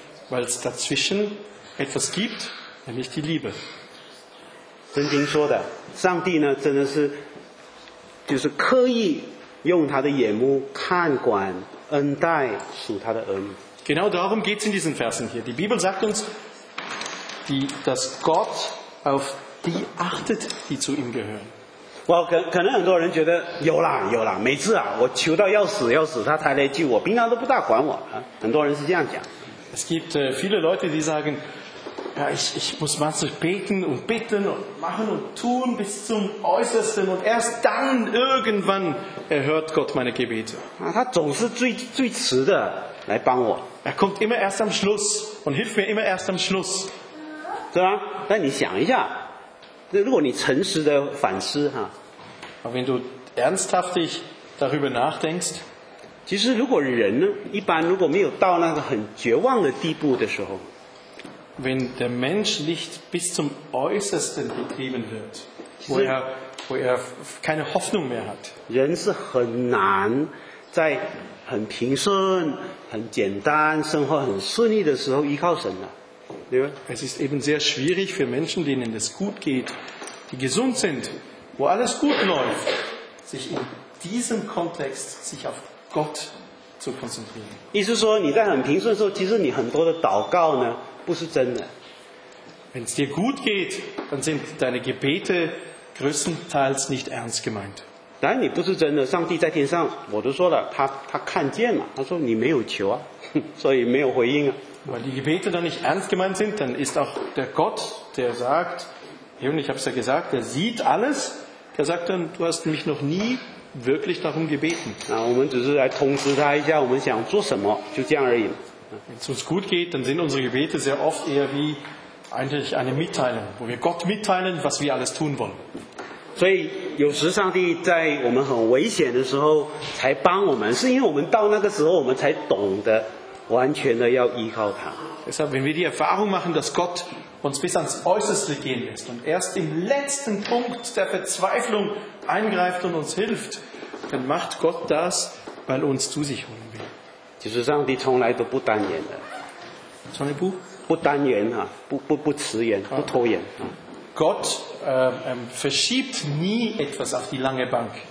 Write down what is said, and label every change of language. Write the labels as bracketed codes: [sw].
[de] Weil es dazwischen etwas gibt, nämlich die Liebe. [zh] 真经说的，上帝呢，真的是，就是刻意用他的眼目看管。恩待属他的儿女。 [de] Genau darum geht es in diesen Versen hier. Die Bibel sagt uns, dass Gott auf die achtet, die zu ihm gehören. [zh] Well, 可能很多人觉得有啦有啦，每次啊，我求到要死要死，他才来救我，平常都不大管我啊。很多人是这样讲。 [de] Es gibt viele Leute, die sagen, ja, ich muss manchmal beten und bitten und machen und tun bis zum Äußersten und erst dann irgendwann. Er hört Gott meine Gebete. [zh] 啊，他总是最迟的来帮我。 [de] Er kommt immer erst am Schluss und hilft mir immer erst am Schluss. [zh] 是吧？那你想一下，如果你诚实的反思哈。 [de] Aber wenn du ernsthaft darüber nachdenkst, [zh] 其实如果人一般如果没有到那个很绝望的地步的时候 [de] ，wenn der Mensch nicht bis zum Äußersten getrieben wird, wo er keine Hoffnung mehr hat. [zh] 人是很难在很平顺、很简单、生活很顺利的时候依靠神的，对吧？ [de] Es ist eben sehr schwierig für Menschen, denen es gut geht, die gesund sind, wo alles gut läuft, sich in diesem Kontext sich auf Gott zu konzentrieren. [zh] 意思说你在很平顺的时候，其实你很多的祷告呢不是真的。 [de] Wenn es dir gut geht, dann sind deine Gebete größtenteils nicht ernst gemeint. [zh] 当然你不是真的，上帝在天上，我都说了，他看见了，他说你没有求啊，所以没有回应啊。 [de] weil die Gebete dann nicht ernst gemeint sind, dann ist auch der Gott, der sagt, und ich habe es ja gesagt, der sieht alles, der sagt dann, du hast mich noch nie wirklich darum gebeten. Wenn es uns gut geht, dann sind unsere Gebete sehr oft eher wie eigentlich eine Mitteilung, wo wir Gott mitteilen, was wir alles tun wollen. [zh] 所以有时上帝在我们很危险的时候才帮我们，是因为我们到那个时候我们才懂得完全的要依靠他。 [de] Deshalb, wenn wir die Erfahrung machen, dass Gott uns bis ans Äußerste gehen lässt und erst im letzten Punkt der Verzweiflung eingreift und uns hilft, dann macht Gott das, weil er uns zu sich holen will. [zh] 其实上帝从来都不单言的。 Sorry, 不? 不单言啊, 不迟言, 不拖言。 [de] Gott verschiebt nie etwas auf die lange Bank.